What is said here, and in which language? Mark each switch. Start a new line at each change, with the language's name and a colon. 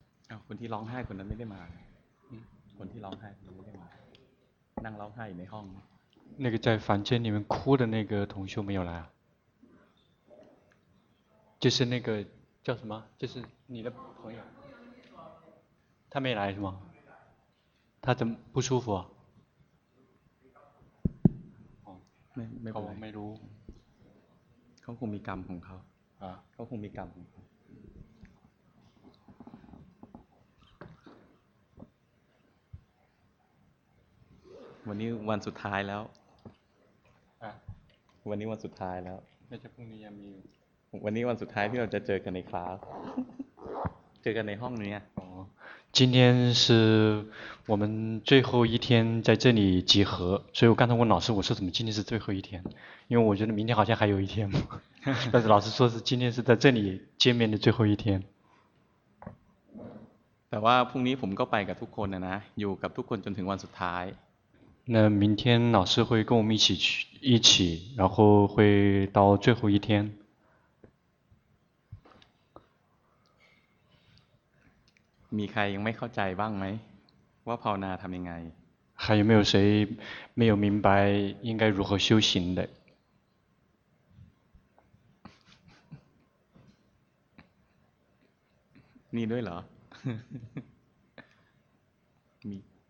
Thai: อ้าวคนที่ร้องไห้คนนั้นไม่ได้มาคนที่ร้องไห้คนนั้นไม่ได้มานั่งร้องไห้อยู่ในห้อง
Chinese: 那个在房间里面哭的那个同学没有来啊？就是那个叫什么？就是你的朋友，他没来是吗？他怎么不舒服啊？没不来。没รู้
Thai: เขาคงมีกรรมของเขา เ ขาคงมีกรรมวันนี้วันสุดท้ายแล้ววันนี้วันสุดท้ายแล้ว ไม่ใช่พรุ่งนี้ยังมี วันนี้วันสุดท้ายที่เราจะเจอกันในคลาสเจอกันในห้องนี้
Chinese: อ๋อ今天是我们最后一天在这里集合所以我刚才问老师我说怎么今天是最后一天因为我觉得明天好像还有一天但是老师说是今天是在这里见面的最后一天
Thai: แต่ว่าพรุ่งนี้ผมก็ไปกับทุกคนนะอยู่กับทุกคนจนถึงวันสุดท้าย
Chinese: 那明天老师会跟我们一起去一起然后会到最后一天
Thai: มีใครยังไม่เข้าใจบ้างไหมว่าภาวนาทำยังไง
Chinese: 还有没有谁没有明白应该如何修行的
Thai: มีด้วยเหรอมี